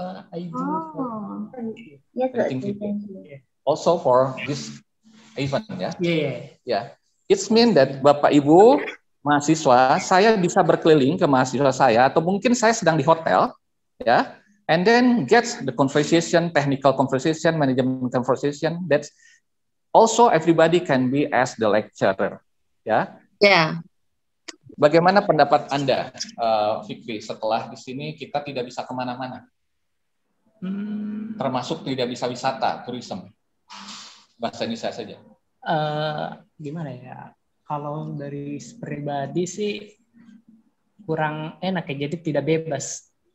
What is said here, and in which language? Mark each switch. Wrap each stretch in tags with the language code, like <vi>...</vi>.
<en>I do. Oh, thank you. Yes, also for this event, ya?</en> <id>Iya. Ya,</id> <en>it mean that</en> <id>Bapak Ibu mahasiswa, saya bisa berkeliling ke mahasiswa saya atau mungkin saya sedang di hotel, ya?</id> <en>And then gets the conversation, technical conversation, management conversation. That's also everybody can be as the lecturer, ya? Yeah? Yeah.</en> <id>Bagaimana pendapat Anda, Fikri, setelah di sini kita tidak bisa kemana-mana, termasuk tidak bisa wisata, tourism, bahasa Indonesia saja? Gimana ya? Kalau dari pribadi sih kurang enak ya, jadi tidak bebas.</id>